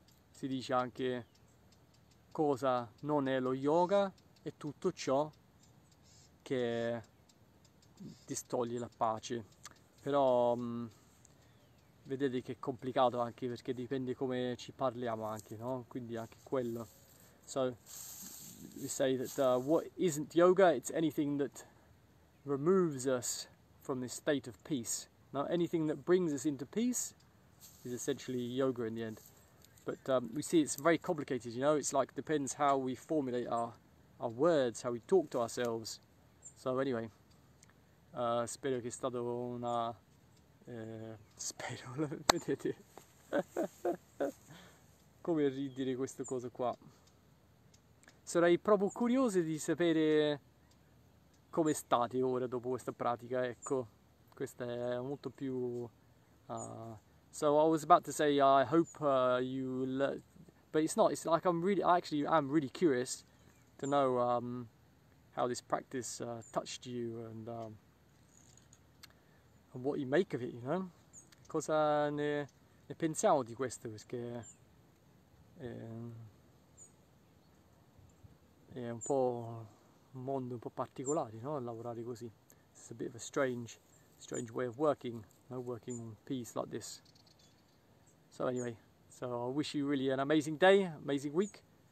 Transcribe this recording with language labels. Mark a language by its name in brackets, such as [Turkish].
[Italian] Si dice anche cosa non è lo yoga e tutto ciò che distoglie la pace, però vedete che è complicato anche perché dipende come ci parliamo anche, no? Quindi anche quello. [English] So, we say that what isn't yoga? It's anything that removes us from this state of peace. Now, anything that brings us into peace is essentially yoga in the end. But we see it's very complicated, you know? It's like depends how we formulate our words, how we talk to ourselves. So, anyway, [Italian] spero che è stato una. Spero, vedete? Come ridire questa cosa qua? Sarei proprio curioso di sapere come state ora dopo questa pratica, ecco. Questa è molto più. [English] So I was about to say I hope you le but it's not. It's like I'm really curious to know how this practice touched you and what you make of it, you know? [Italian] Cosa ne pensiamo di questo? Perché è un po' un mondo un po' particolare, no? Lavorare così. [English] It's a bit of a strange way of working, no? Working on peace like this. So anyway, so I wish you really an amazing day, amazing week.